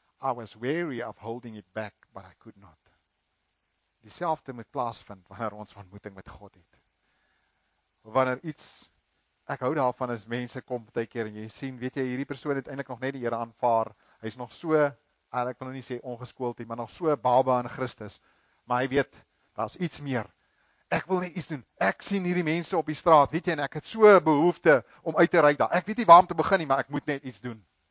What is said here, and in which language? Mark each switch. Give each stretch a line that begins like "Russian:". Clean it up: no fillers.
English: I was weary of holding it back, but I could not.
Afrikaans: Dieselfde moet plaasvind wanneer ons ontmoeting met God het. Wanneer iets, ek hou daarvan as mense kom partykeer en jy sien, weet jy, hierdie persoon het eintlik nog net die Here aanvaar. Hy's nog so, ek wil nou nie sê ongeskoold nie, maar nog so baba in Christus. Maar hy weet, daar's iets meer. Ek wil net iets doen. Ek sien hierdie mense op die straat, weet jy, en ek het so 'n behoefte om uit te ry daar. Ek weet nie waar om te begin nie, maar ek moet net iets doen.